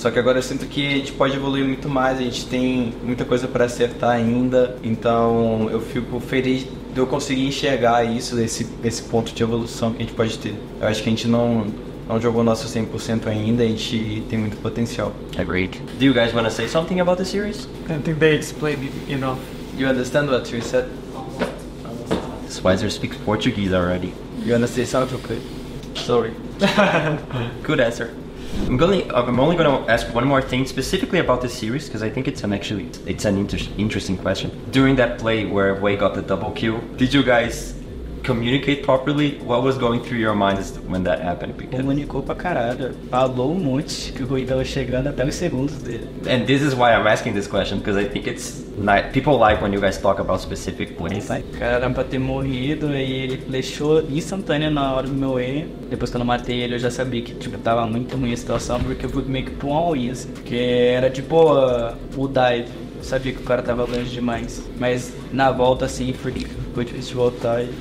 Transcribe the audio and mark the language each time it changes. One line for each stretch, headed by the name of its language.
Portuguese: Só que agora eu sinto que a gente pode evoluir muito mais, a gente tem muita coisa pra acertar ainda. Então eu fico feliz de eu conseguir enxergar isso, esse ponto de evolução que a gente pode ter. Eu acho que a gente não jogou nosso 100% ainda, a gente tem muito potencial.
English: Agreed. Do you guys want to say something about the series? I think they explained it, you know. You understand what you said? This Wiser speaks Portuguese already. You want to say something, okay? Sorry. Good answer. I'm only gonna ask one more thing specifically about the series, because I think it's an interesting question. During that play where Wei got the double kill, did you guys communicate properly? What was going through your minds when that happened? Because
Portuguese: comunicou pra caralho. Falou um monte que o Wei tava chegando até os segundos dele.
English: And this is why I'm asking this question, because I think it's nice. People like when you guys talk about specific plays.
Portuguese: Caramba, ter morrido, e ele flechou instantâneo na hora do meu E. Depois que eu não matei ele, eu já sabia que tipo, tava muito ruim a situação, porque eu fui meio que pro um all-in, assim. Porque era tipo o dive. Eu sabia que o cara tava longe demais. Mas na volta, assim, foi difícil de voltar e...